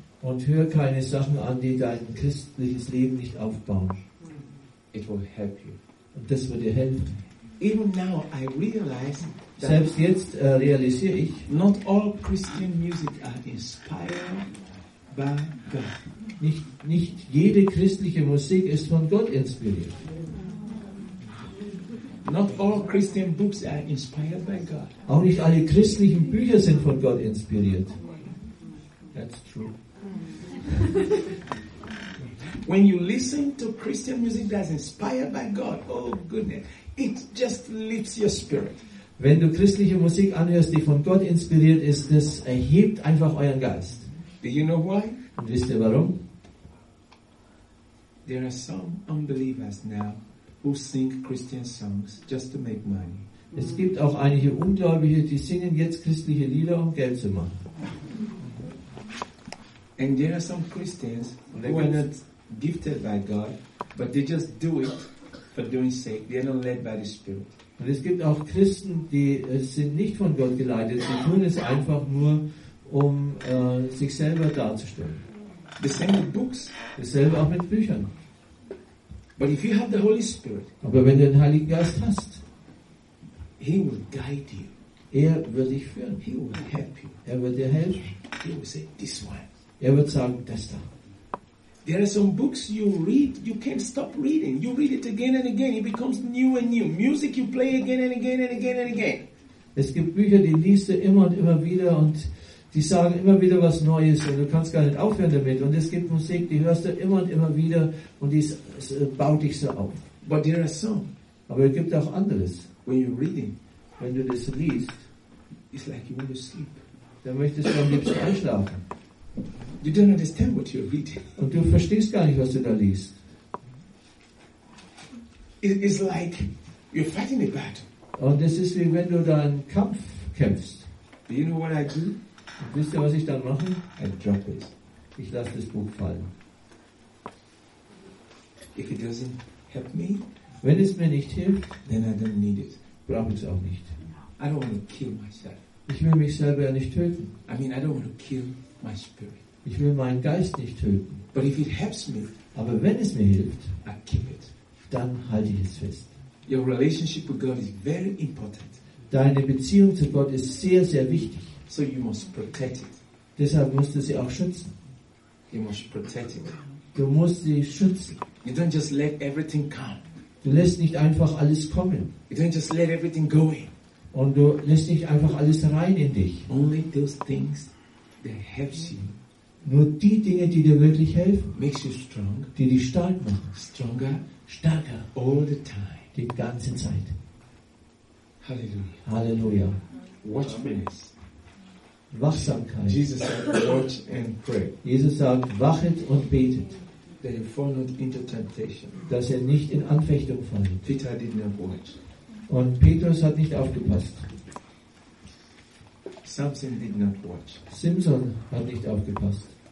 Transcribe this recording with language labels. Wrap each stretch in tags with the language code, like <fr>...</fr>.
<de>Und hör keine Sachen an, die dein christliches Leben nicht aufbauen.</de> <en>It will help you.</en> <de>Und das wird dir helfen.</de> <en>Even now I realize that</en> <de>selbst jetzt realisiere ich,</de> <en>not all Christian music are inspired by God.</en> <de>Nicht jede christliche Musik ist von Gott inspiriert.</de> <en>Not all Christian books are inspired by God.</en> <de>Auch nicht alle christlichen Bücher sind von Gott inspiriert.</de> <en>That's true. When you listen to Christian music that's inspired by God, oh goodness, it just lifts your spirit.</en> <de>Wenn du christliche Musik anhörst, die von Gott inspiriert ist, das erhebt einfach euren Geist.</de> <en>Do you know why?</en> <de>Und wisst ihr warum?</de> <en>There are some unbelievers now who sing Christian songs just to make money.</en> <de>Es gibt auch einige Ungläubige, die singen jetzt christliche Lieder, um Geld zu machen.</de> <en>And there are some Christians who are not gifted by God, but they just do it for doing sake. They are not led by the Spirit.</en> <de>Und es gibt auch Christen, die sind nicht von Gott geleitet. Sie tun es einfach nur, um sich selber darzustellen.</de> <en>The same with books.</en> <de>Dasselbe auch mit Büchern.</de> <en>But if you have the Holy Spirit,</en> <de>aber wenn du den Heiligen Geist hast,</de> <en>he will guide you.</en> <de>Er wird dich führen.</de> <en>He will help you.</en> <de>Er wird dir helfen.</de> <en>He will say, this one.</en> <de>Er wird sagen, das da.</de> <en>There are some books you read, you can't stop reading. You read it again and again, it becomes new and new. Music you play again and again and again and again.</en> <de>Es gibt Bücher, die liest du immer und immer wieder und die sagen immer wieder was Neues und du kannst gar nicht aufhören damit. Und es gibt Musik, die hörst du immer und immer wieder und die baut dich so auf.</de> <en>But there are some.</en> <de>Aber es gibt auch anderes.</de> <en>When you're reading,</en> <de>wenn du das liest,</de> <en>it's like you want to sleep.</en> <de>Dann möchtest du am liebsten einschlafen.</de> <en>You don't understand what you're reading.</en> <de>Und du verstehst gar nicht, was du da liest.</de> <en>It is like you're fighting a battle.</en> <de>Und es ist wie wenn du da einen Kampf kämpfst.</de> <en>Do you know what I do?</en> <de>Und wisst ihr, was ich dann mache?</de> <en>I drop it.</en> <de>Ich lasse das Buch fallen.</de> <en>If it doesn't help me,</en> <de>wenn es mir nicht hilft,</de> <en>then I don't need it.</en> <de>Brauche ich es auch nicht.</de> <en>I don't want to kill myself.</en> <de>Ich will mich selber ja nicht töten.</de> <en>I mean, I don't want to kill my spirit.</en> <de>Ich will meinen Geist nicht töten.</de> <en>But if it helps me,</en> <de>aber wenn es mir hilft,</de> <en>I keep it.</en> <de>Dann halte ich es fest.</de> <en>Your relationship with God is very important.</en> <de>Deine Beziehung zu Gott ist sehr, sehr wichtig.</de> <en>So you must protect it.</en> <de>Deshalb musst du sie auch schützen.</de> <en>You must protect it.</en> <de>Du musst sie schützen.</de> <en>You don't just let everything come.</en> <de>Du lässt nicht einfach alles kommen.</de> <en>You don't just let everything go in.</en> <de>Und du lässt nicht einfach alles rein in dich.</de> <en>Only those things that helps you.</en> <de>Nur die Dinge, die dir wirklich helfen,</de> <en>makes you strong,</en> <de>die dich stark machen,</de> <en>stronger,</en> <de>stärker,</de> <en>all the time,</en> <de>die ganze Zeit.</de> <en>Hallelujah.</en> <de>Halleluja.</de> <en>Watchfulness.</en> <de>Wachsamkeit.</de> <en>Jesus said, watch and pray.</en> <de>Jesus sagt, wachet und betet,</de> <en>that you fall not into temptation,</en> <de>dass ihr nicht in Anfechtung fallt.</de> <en>Peter did not watch.</en> <de>Und Petrus hat nicht aufgepasst.</de> <en>Samson did not watch.</en> <de>Simpson hat nicht aufgepasst.</de>